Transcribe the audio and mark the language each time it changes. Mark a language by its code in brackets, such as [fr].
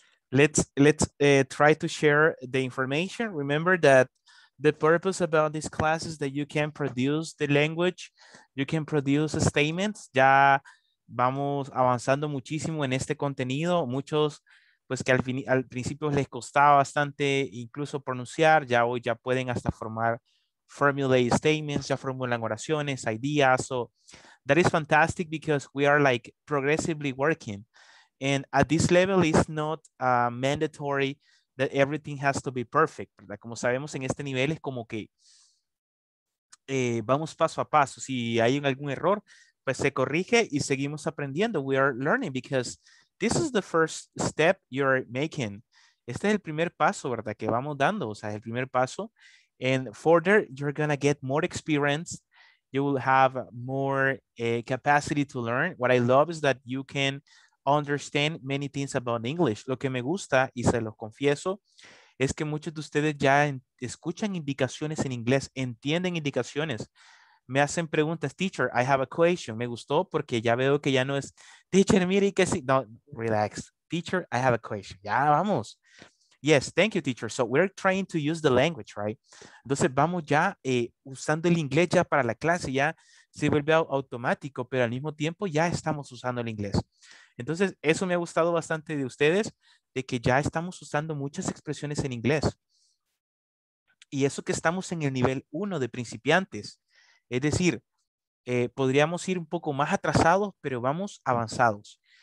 [en] Let's try to share the information. Remember that the purpose about this class is that you can produce the language, you can produce statements. [es] Ya vamos avanzando muchísimo en este contenido. Muchos, pues que al principio les costaba bastante incluso pronunciar, ya hoy ya pueden hasta formar [en] formulate statements, [es] ya formulan oraciones, ideas. [en] So that is fantastic because we are like progressively working. And at this level, it's not mandatory that everything has to be perfect, [es] ¿verdad? Como sabemos, en este nivel es como que vamos paso a paso. Si hay algún error, pues se corrige y seguimos aprendiendo. [en] We are learning because this is the first step you're making. [es] Este es el primer paso, ¿verdad? Que vamos dando, o sea, es el primer paso. [en] And further, you're going to get more experience. You will have more capacity to learn. What I love is that you can understand many things about English. [es] Lo que me gusta, y se los confieso, es que muchos de ustedes ya escuchan indicaciones en inglés, entienden indicaciones. Me hacen preguntas, [en] teacher, I have a question. [es] Me gustó porque ya veo que ya no es, teacher, mire que sí. [en] No, relax. Teacher, I have a question. [es] Ya, vamos. [en] Yes, thank you, teacher. So we're trying to use the language, right? [es] Entonces vamos ya usando el inglés ya para la clase, ya se vuelve automático, pero al mismo tiempo ya estamos usando el inglés. Entonces, eso me ha gustado bastante de ustedes, de que ya estamos usando muchas expresiones en inglés. Y eso que estamos en el nivel 1 de principiantes. Es decir, podríamos ir un poco más atrasados, pero vamos avanzados.